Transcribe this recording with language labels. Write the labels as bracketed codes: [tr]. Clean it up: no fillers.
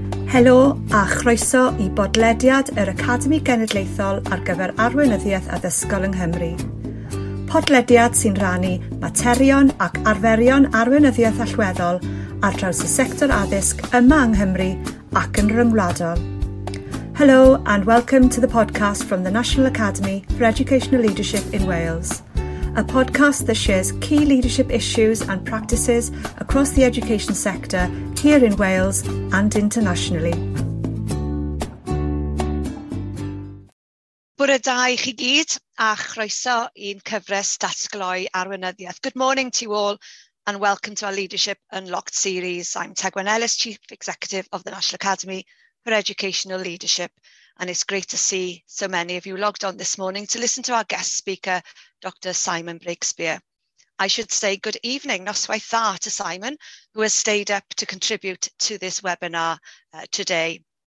[cy] Helo a chroeso I bodlediad yr Academi Genedlaethol ar gyfer Arweinyddiaeth Addysgol yng Nghymru. Podlediad sy'n rannu materion ac arferion arweinyddiaeth allweddol ar draws y sector addysg yma yng Nghymru ac yn rhyngwladol. [en] Hello and welcome to the podcast from the National Academy for Educational Leadership in Wales, a podcast that shares key leadership issues and practices across the education sector here in Wales and internationally. [cy] Bore da I chi gyd a chroeso i'n cyfres datgloi arweinyddiaeth. [en] Good morning to you all and welcome to our Leadership Unlocked series. I'm Tegwyn Ellis, Chief Executive of the National Academy for Educational Leadership, and it's great to see so many of you logged on this morning to listen to our guest speaker, Dr. Simon Breakspear. I should say good evening, [cy] noswaith dda, [en] to Simon, who has stayed up to contribute to this webinar today.